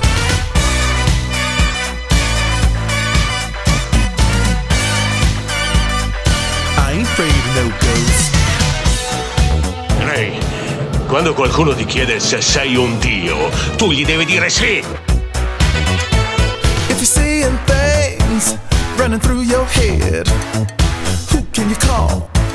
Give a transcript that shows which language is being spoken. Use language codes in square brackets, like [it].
[en] I ain't afraid of no ghosts. [it] Ray, quando qualcuno ti chiede se sei un dio, tu gli devi dire sì. [en] If you're seeing things running through your head, who can you call?